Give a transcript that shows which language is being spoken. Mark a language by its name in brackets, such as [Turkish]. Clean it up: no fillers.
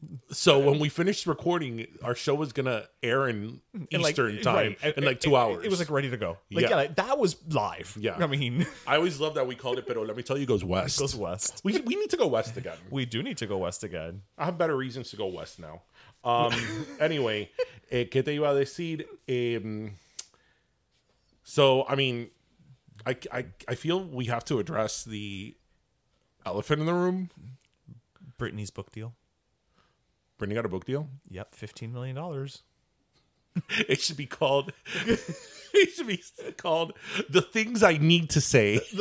[English] So when we finished recording, our show was going to air in Eastern like, time right. in like 2 hours. It was like ready to go. Like, yeah, like that was live. Yeah. I mean. I always love that we called it, Pero Let Me Tell You, goes west. It goes west. We need to go west again. We do need to go west again. I have better reasons to go west now. anyway, [Spanish] ¿qué te iba a decir? [English] So, I mean, I feel we have to address the elephant in the room. Britney's book deal. Britney got a book deal? Yep, $15 million. It should be called... It should be called The Things I Need to Say.